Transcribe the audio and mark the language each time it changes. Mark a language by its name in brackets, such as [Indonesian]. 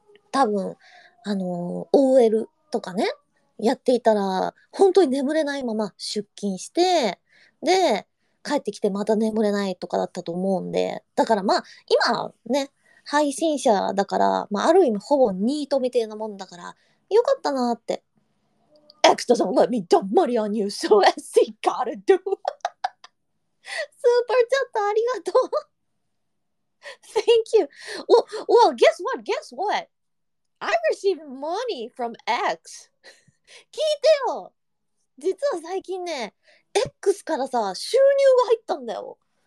[Japanese] 多分、OL とかね、やっていたら本当に眠れないまま出勤して、で、帰ってきてまた眠れないとかだったと思うんで、だからまあ、今ね、配信者だから、まあある意味ほぼニートみたいなもんだから、よかったなーって。 [English] エクストさん、Let me dump money on you, so as he gotta do. [Japanese] スーパーチャットありがとう。 [English] Thank you. Well, guess what? Guess what? I received money from X. [Japanese] 聞いてよ。実は最近ね、X からさ、収入が入ったんだよ。